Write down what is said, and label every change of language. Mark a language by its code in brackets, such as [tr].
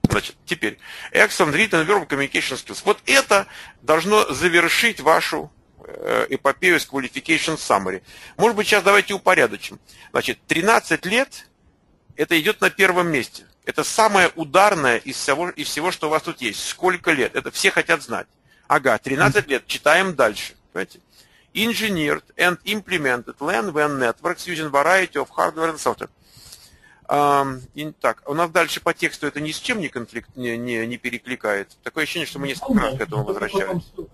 [ru] Значит, теперь. [en] Excellent written and verbal communication skills. [ru] Вот это должно завершить вашу эпопею с qualification summary. Может быть, сейчас давайте упорядочим. Значит, 13 лет это идет на первом месте. Это самое ударное из всего, что у вас тут есть. Сколько лет? Это все хотят знать. Ага, 13 лет. Читаем дальше. Понимаете? [en] Engineered and implemented LAN-WAN networks using variety of hardware and software. [ru] Так, у нас дальше по тексту это ни с чем не конфликт, не перекликает. Такое ощущение, что мы несколько раз к этому возвращаемся.